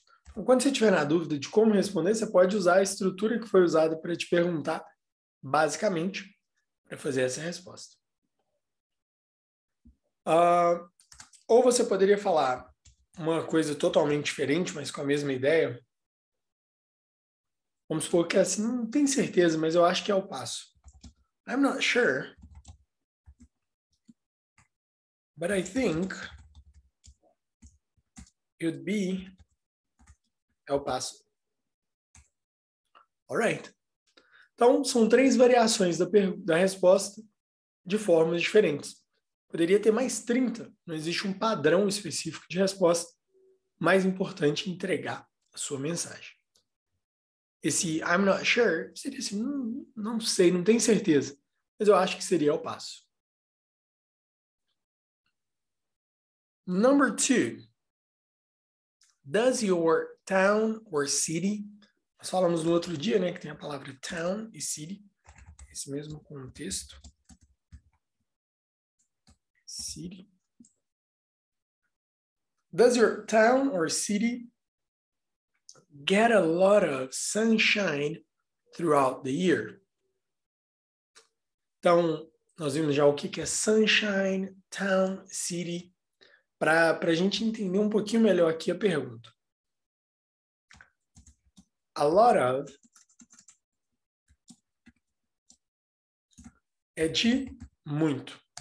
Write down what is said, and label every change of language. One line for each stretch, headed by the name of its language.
Portuguese: Então, quando você tiver na dúvida de como responder, você pode usar a estrutura que foi usada para te perguntar, basicamente, para fazer essa resposta. Ou você poderia falar uma coisa totalmente diferente, mas com a mesma ideia. Vamos supor que é assim, não tenho certeza, mas eu acho que é o passo.
English: I'm not sure, but I think it'd be El Paso. Alright.
Portuguese: Então, são três variações da resposta de formas diferentes. Poderia ter mais 30, não existe um padrão específico de resposta. Mais importante, entregar a sua mensagem. Esse
English: I'm not sure
Portuguese: seria assim, não sei, não tenho certeza. Mas eu acho que seria o passo.
English: Number two. Does your town or city...
Portuguese: Nós falamos no outro dia, né, que tem a palavra town e city. Esse mesmo contexto.
English: City. Does your town or city get a lot of sunshine throughout the year?
Portuguese: Então, nós vimos já o que é sunshine, town, city, para a gente entender um pouquinho melhor aqui a pergunta. A lot of é de muito.